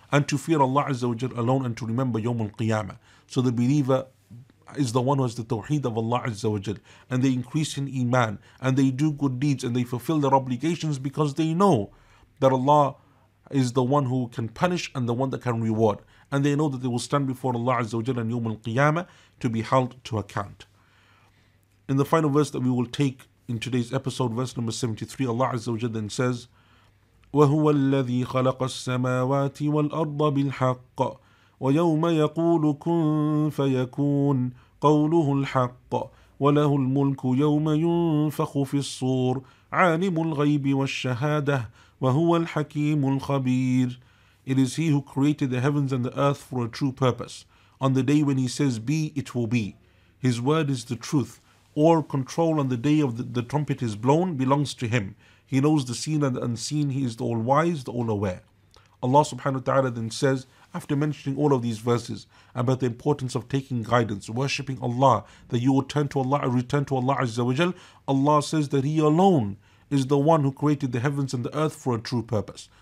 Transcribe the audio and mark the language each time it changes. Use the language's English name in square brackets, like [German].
[English] And to fear Allah Azza wa Jal alone and to remember Yawm al-Qiyamah. So the believer is the one who has the tawheed of Allah Azza wa Jal. And they increase in Iman, and they do good deeds, and they fulfill their obligations because they know that Allah is the one who can punish and the one that can reward. And they know that they will stand before Allah Azza wa Jalla and Yawm al-Qiyamah to be held to account. In the final verse that we will take in today's episode, verse number 73, Allah Azza wa Jalla then says, [Arabic] وَهُوَ الَّذِي خَلَقَ السَّمَاوَاتِ وَالْأَرْضَ بِالْحَقِّ وَيَوْمَ يَقُولُ كُنْ فَيَكُونَ قَوْلُهُ الْحَقِّ وَلَهُ الْمُلْكُ يَوْمَ يُنْفَخُ فِي الصُّورِ عَالِمُ الْغَيْبِ وَالشَّهَادَةِ وَهُوَ الْحَكِيمُ الْخَبِيرُ. [English] It is he who created the heavens and the earth for a true purpose. On the day when he says be, it will be. His word is the truth. All control on the day of the trumpet is blown belongs to him. He knows the seen and the unseen. He is the all-wise, the all-aware. Allah subhanahu wa ta'ala then says, after mentioning all of these verses about the importance of taking guidance, worshipping Allah, that you will turn to Allah and return to Allah Azza wa Jal, Allah says that he alone is the one who created the heavens and the earth for a true purpose.